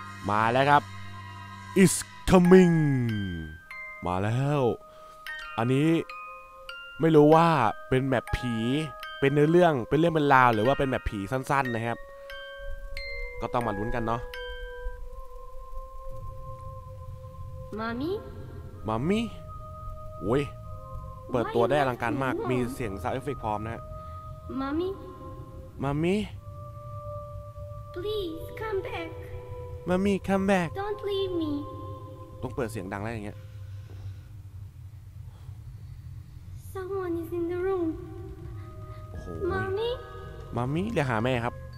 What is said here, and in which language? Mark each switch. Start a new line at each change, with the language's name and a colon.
Thai: มาแล้วครับ
English: is coming
Thai: มาแล้วอันนี้ไม่รู้ว่าเป็นแมปผีเป็นเนื้อเรื่องเป็นเรื่องเป็นราวหรือว่าเป็นแมปผีสั้นๆนะครับก็ต้องมาลุ้นกันเนาะ
English: มามี่
Thai: โว้ยเปิดตัวได้อลังการมากมีเสียงซาวด์เอฟเฟคพร้อมนะฮะ
English: มามี่ please come back มามี่ come back don't leave me
Thai: ต้องเปิดเสียงดังแล้วอย่างเงี้ย
English: Someone is in the room. Mommy.
Thai: Mommy, เดี๋ยวหาแม่ครับ